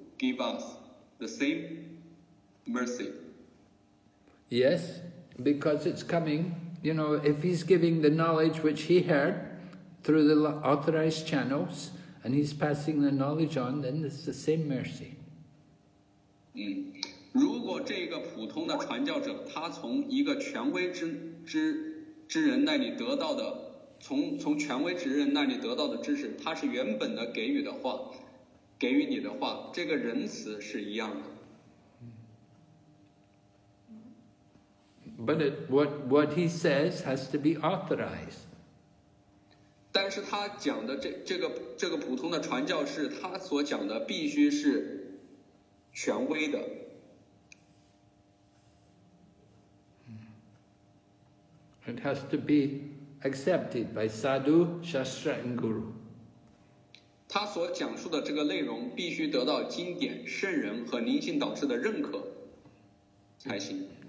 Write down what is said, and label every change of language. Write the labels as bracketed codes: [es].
[en] Give us the same mercy. Yes, because it's coming. You know, if he's giving the knowledge which he heard through the authorized channels and he's passing the knowledge on, then it's the same mercy. [zh] 如果这个普通的传教者他从一个权威 之人那里得到的从权威之人那里得到的知识他是原本的给予的话给予你的话，这个仁慈是一样的。 [en] But what he says has to be authorized. [zh] 但是他讲的这个普通的传教士，他所讲的必须是权威的。 [en] It has to be accepted by Sadhu, Shastra, and Guru. [zh] 他所讲述的这个内容必须得到经典、圣人和宁静导师的认可才行。